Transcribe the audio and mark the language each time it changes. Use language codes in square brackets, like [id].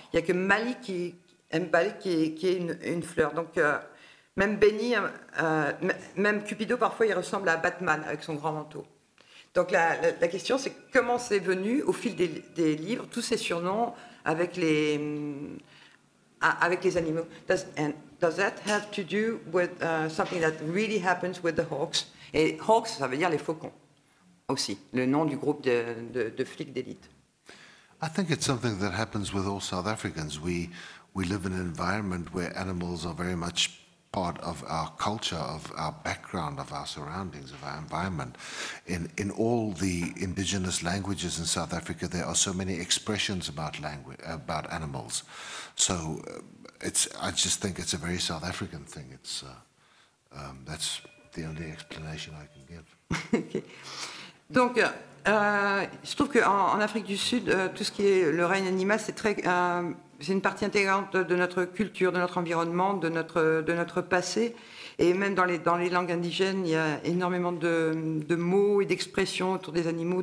[fr] Il n'y a que Mali qui est une fleur. Donc, même Benny, même Cupido, parfois, il ressemble à Batman avec son grand manteau. Donc la question, c'est comment c'est venu au fil des livres tous ces surnoms avec les animaux. [en] Does that have to do with something that really happens with the hawks? [fr] Et hawks, ça veut dire les faucons aussi, le nom du groupe de flics d'élite. [en] I think it's something that happens with all South Africans. We live in an environment where animals are very much part of our culture, of our background, of our surroundings, of our environment. In all the indigenous languages in South Africa, there are so many expressions about language, about animals. So I just think it's a very South African thing. It's that's the only explanation I can give. Okay. [fr] Donc, il se trouve qu'en Afrique du Sud, tout ce qui est le règne animal, c'est très... C'est une partie intégrante de notre culture, de notre environnement, de notre passé. Et même dans les langues indigènes, il y a énormément de mots et d'expressions autour des animaux.